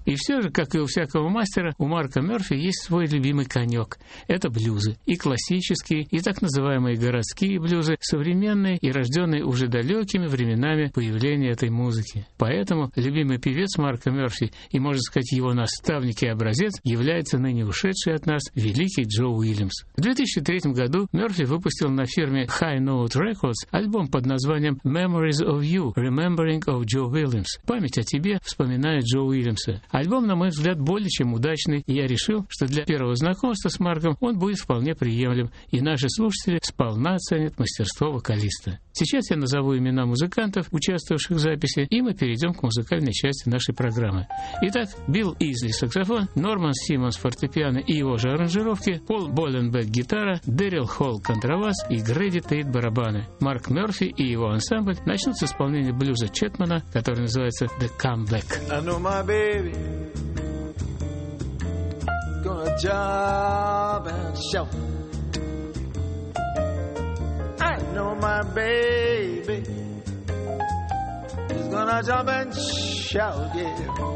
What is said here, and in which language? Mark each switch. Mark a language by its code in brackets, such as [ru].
[ru] И все же, как и у всякого мастера, у Марка Мерфи есть свой любимый конек – это блюзы. И классические, и так называемые городские блюзы, современные и рожденные уже далекими временами появления этой музыки. Поэтому любимый певец Марка Мерфи и, можно сказать, его наставник и образец является ныне ушедший от нас великий Джо Уильямс. В 2003 году Мерфи выпустил на фирме High Note Records альбом под названием Memories of You, Remembering of Joe Williams. «Память о тебе», вспоминая Джо Уильямса. Альбом, на мой взгляд, более чем удачный, и я решил, что для первого знакомства с Марком он будет вполне приемлем, и наши слушатели сполна оценят мастерство вокалиста. Сейчас я назову имена музыкантов, участвовавших в записи, и мы перейдем к музыкальной части нашей программы. Итак, Билл Изли – саксофон, Норман Симмонс – фортепиано и его же аранжировки, Пол Боленбек – гитара, Дэрил Холл – контрабас и Грэдди Тейт – барабаны. Марк Мерфи и его ансамбль начнут с исполнения блюза Четмана, который называется «The Comeback». [en] I know my baby gonna job and shout. I know my baby is gonna jump and shout, yeah.